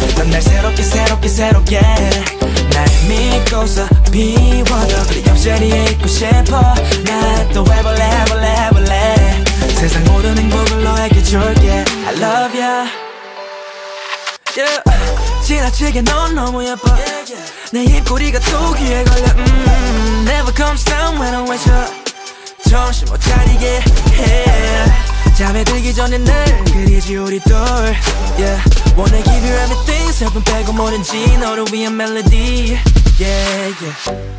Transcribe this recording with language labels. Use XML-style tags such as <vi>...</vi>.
<ko>난 날 새롭게 새롭게 새롭게 날 믿고서 비워둬. 옆자리에 있고 싶어. 난 또 해볼래 해볼래 해볼래. 세상 모든 행복을 너에게 줄게.</ko> <en>I love ya yeah.</en> <ko>지나치게 넌 너무 예뻐 yeah, yeah. 내 입꼬리가 또 귀에 걸려</ko> <en>Never comes down when I'm with you.</en> <ko>정신 못 차리게 해. 잠에 들기 전에 늘 그리지 우리 둘 yeah.</ko> <en>Wanna give you everything</en> <ko>슬픔 빼고 뭐든지 너를 위한 멜로디 yeah, yeah.</ko>